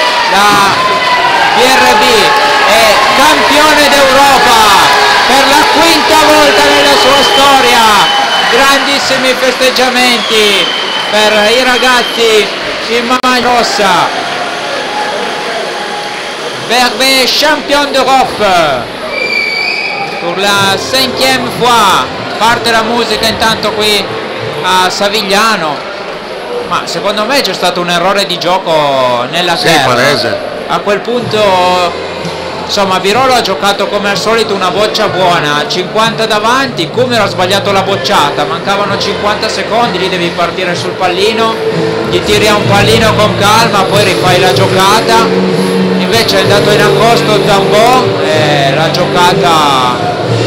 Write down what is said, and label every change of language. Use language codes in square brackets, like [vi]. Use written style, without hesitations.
[it] La BRB è campione d'Europa per la quinta volta nella sua storia. Grandissimi festeggiamenti per i ragazzi in maglia rossa. [fr] BRB champion d'Europe pour la cinquième fois. [it] Parte la musica intanto qui a Savigliano, ma secondo me c'è stato un errore di gioco nella terra. A quel punto, insomma, Birolo ha giocato come al solito una boccia buona, 50 davanti, Cumero ha sbagliato la bocciata, mancavano 50 secondi, lì devi partire sul pallino, gli tiri a un pallino con calma, poi rifai la giocata, invece è andato in accosto Zambò, la giocata